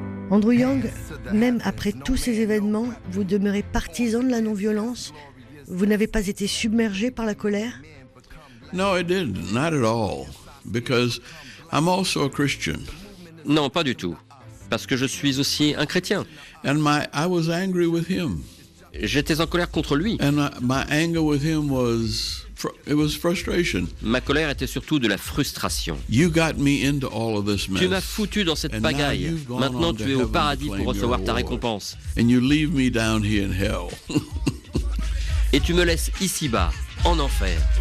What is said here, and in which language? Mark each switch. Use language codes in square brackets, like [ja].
[fr] Andrew Young, même après tous ces événements, vous demeurez partisan de la non-violence. Vous n'avez pas été submergé par la colère? [en] No, I didn't, not at all, because I'm also a Christian. [fr] Non, pas du tout, parce que je suis aussi un chrétien. [en] And I was angry with him. [fr] J'étais en colère contre lui. [en] And my anger with him was frustration. [fr] Ma colère était surtout de la frustration. [en] You got me into all of this mess. [fr] Tu m'as foutu dans cette pagaille. Maintenant, tu es au paradis pour recevoir ta récompense. [en] And you leave me down here in hell. [fr] Et tu me laisses ici-bas, en enfer.